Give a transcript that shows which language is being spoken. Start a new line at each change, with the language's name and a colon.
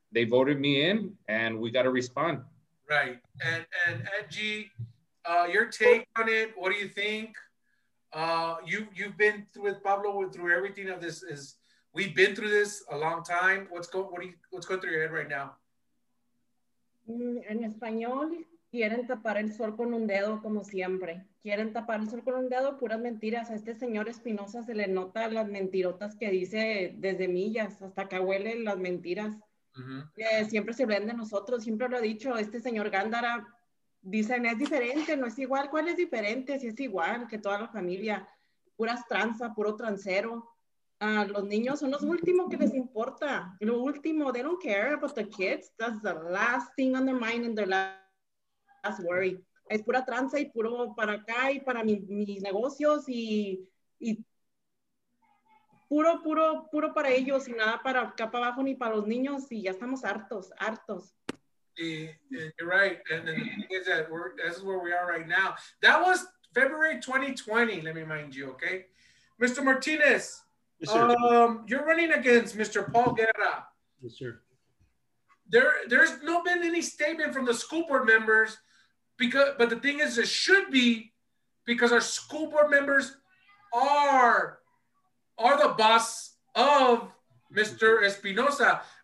English: They voted me in, and we got to respond. Right. And Angie, your take on it, what do you think? You've been with Pablo through everything of this. Is we've been through this a long time. What's going through your head right now?
Spanish: En español, quieren tapar el sol con un dedo, como siempre. Quieren tapar el sol con un dedo, puras mentiras. A este señor Espinosa se le nota las mentirotas que dice desde millas, hasta que huele las mentiras. Uh-huh. Siempre se ven de nosotros, siempre lo he dicho, este señor Gándara. Dicen, es diferente, no es igual. ¿Cuál es diferente? Si es igual que toda la familia. Puras tranza, puro transero. Los niños son los últimos que les importa. Lo último,
English: they don't care about the kids. That's the last thing on their mind and their last worry.
Spanish: Es pura tranza y puro para acá y para mis negocios y puro para ellos y nada para acá para abajo ni para los niños. Y ya estamos hartos.
English: You're right, and the thing is that this is where we are right now. That was February 2020, let me remind you, okay? Mr. Martinez, yes, you're running against Mr. Paul Guerra. Yes, sir. There's no been any statement from the school board members, but the thing is, it should be, because our school board members are the boss of Mr. Espinosa.